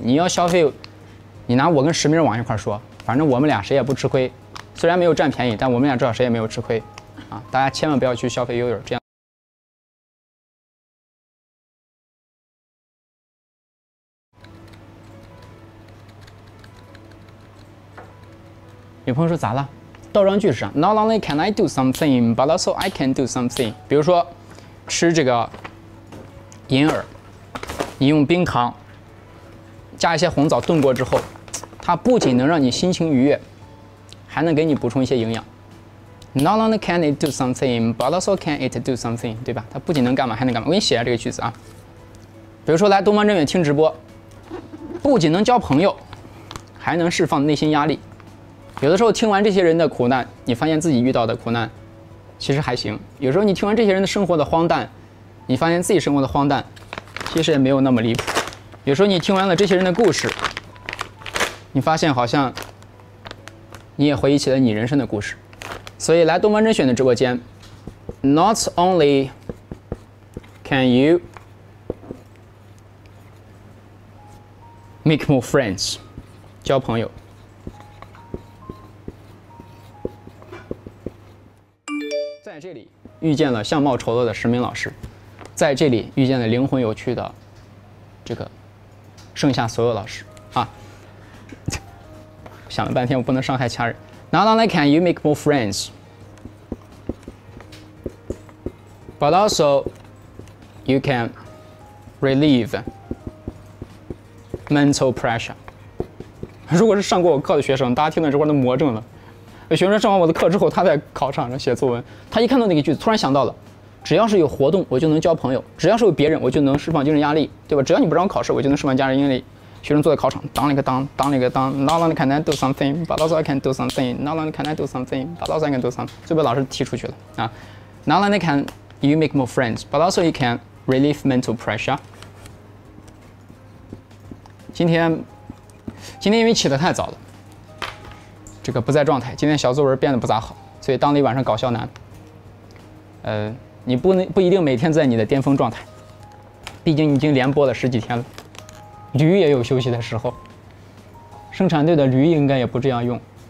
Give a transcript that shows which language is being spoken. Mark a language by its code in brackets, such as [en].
[zh] 你要消费，你拿我跟石明往一块说，反正我们俩谁也不吃亏，虽然没有占便宜，但我们俩至少谁也没有吃亏啊！大家千万不要去消费悠悠，这样女朋友说咋了？倒装句是啥 [en] ？Not only can I do something, but also I can do something。 [zh] 比如说，吃这个银耳，你用冰糖加一些红枣炖过之后，它不仅能让你心情愉悦，还能给你补充一些营养。 [en] Not only can it do something, but also can it do something， [zh] 对吧？它不仅能干嘛，还能干嘛？我给你写一下这个句子啊。比如说来东方正远听直播，不仅能交朋友，还能释放内心压力。有的时候听完这些人的苦难，你发现自己遇到的苦难其实还行。有时候你听完这些人的生活的荒诞，你发现自己生活的荒诞其实也没有那么离谱。有时候你听完了这些人的故事，你发现好像你也回忆起了你人生的故事。所以来东方甄选的直播间， [en] Not only can you make more friends， [zh] 交朋友，在这里遇见了相貌丑陋的石明老师，在这里遇见了灵魂有趣的这个剩下所有老师啊。想了半天，我不能伤害家人。 [en] Not only can you make more friends, but also you can relieve mental pressure。 [zh] 如果是上过我课的学生，大家听到这块都魔怔了。学生上完我的课之后，他在考场上写作文，他一看到那个句子突然想到了，只要是有活动我就能交朋友，只要是有别人我就能释放精神压力，对吧？只要你不让我考试我就能释放家人压力。学生坐在考场当了一个当，当了一个当。 [en] Not only can I do something, but also I can do something. Not only can I do something, but also I can do something. [zh] 就被老师踢出去了啊。 [en] Not only can you make more friends, but also you can relieve mental pressure. [zh] 今天因为起得太早了，这个不在状态，今天小作文变得不咋好，所以当了一晚上搞笑男。你不一定每天在你的巅峰状态，毕竟已经连播了十几天了，驴也有休息的时候，生产队的驴应该也不这样用。